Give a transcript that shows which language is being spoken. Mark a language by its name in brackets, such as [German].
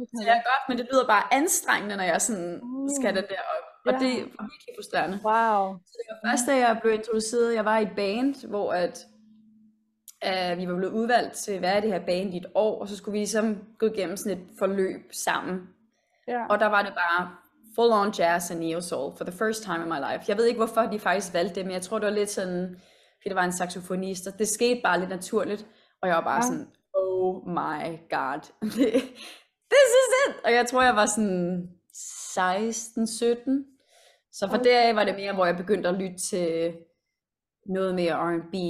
[Danish] Det er godt, men det lyder bare anstrengende, når jeg sådan skal den der op. Og det var virkelig frustrerende. Wow. Så det var første dag, jeg blev introduceret, jeg var i et band, hvor at, vi var blevet udvalgt til, hvad er det her band i et år, og så skulle vi ligesom gå igennem sådan et forløb sammen. Yeah. Og der var det bare [English] full on jazz and neo soul for the first time in my life. [Danish] Jeg ved ikke, hvorfor de faktisk valgte det, men jeg tror, det var lidt sådan, fordi det var en saxofonist, og det skete bare lidt naturligt. Og jeg var bare sådan, [English] oh my god, this is it! [Danish] Og jeg tror, jeg var sådan 16-17. Så fra deraf var det mere, hvor jeg begyndte at lytte til noget mere R&B.